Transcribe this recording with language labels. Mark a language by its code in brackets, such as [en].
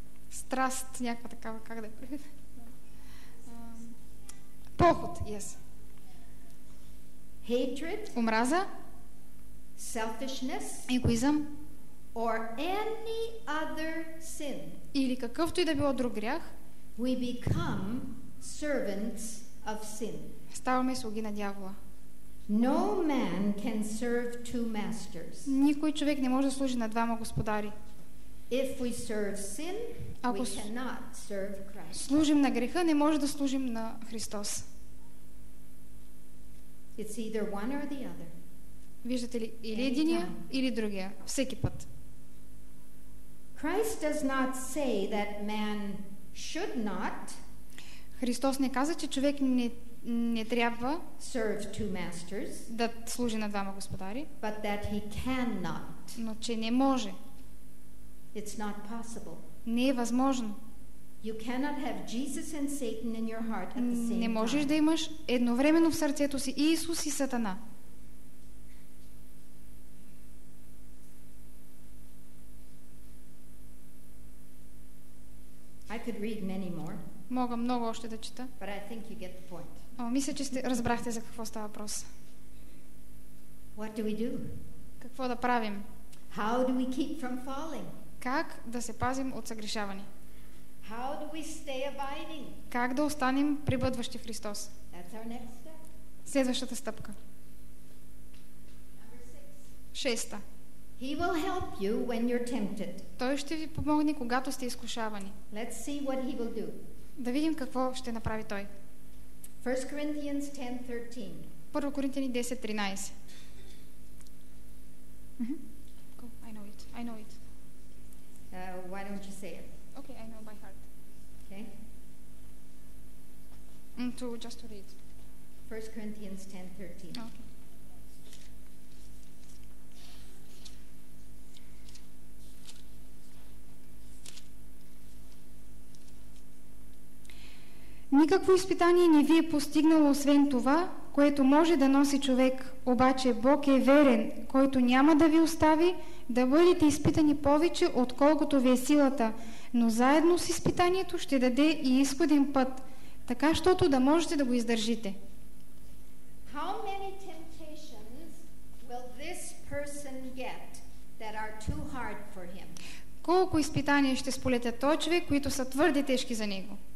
[bg] страст, някаква такава, как да е? Похот, [en] yes. Hatred, [bg] омраза, [en] selfishness, [bg] егоизъм, [en] or any other sin, [bg] или какъвто и да било друг грях, [en] we become servants of sin. [bg] Ставаме слуги на дявола. [en] No man can serve two masters. [bg] Никой човек не може да служи на двама господари. [en] If we serve sin, we cannot serve Christ. [bg] Служим на греха, не може да служим на Христос. [en] It's either one or the other. [bg] Виждате ли, или единия, или другия, всеки път. [en] Christ does not say that man should not. [bg] Христос не каза, че човек не трябва [en] serve two masters, [bg] да служи на двама господари, [en] but that he cannot. [bg] Но че не може. [en] It's not possible. [bg] Не е възможно. [en] You cannot have Jesus and Satan in your heart at the same time. [bg] Не можеш да имаш едновременно в сърцето си и Исус и Сатана. [en] I could read many more. [bg] Мога много още да чета. [en] But I think you get the point. [bg] О, мисля, че сте разбрахте за какво става въпрос. [en] What do we do? [bg] Какво да правим? [en] How do we keep from falling? [bg] Как да се пазим от съгрешаване? [en] How do we stay abiding? [bg] Как да останем прибъдващи в Христос? [en] That's our next step. [bg] Следващата стъпка. Шеста. [en] He will help you when you're tempted. [bg] Той ще ви помогне, когато сте изкушавани. [en] Let's see what he will do. [bg] Да видим какво ще направи той. [en] 1 Corinthians 10:13. [bg] 1 Коринтияни 10:13. [en] I know it. Why don't you say it? Okay, I know by heart. Okay. Just to read. 1 Corinthians 10:13. Okay. [bg] Никакво изпитание не ви е постигнало освен това, което може да носи човек. Обаче Бог е верен, който няма да ви остави да бъдете изпитани повече, отколкото ви е силата. Но заедно с изпитанието ще даде и изходен път, така щото да можете да го издържите. [en] How many temptations will this person get that are too hard for him? [bg] Колко изпитания ще сполете той човек, които са твърде тежки за него?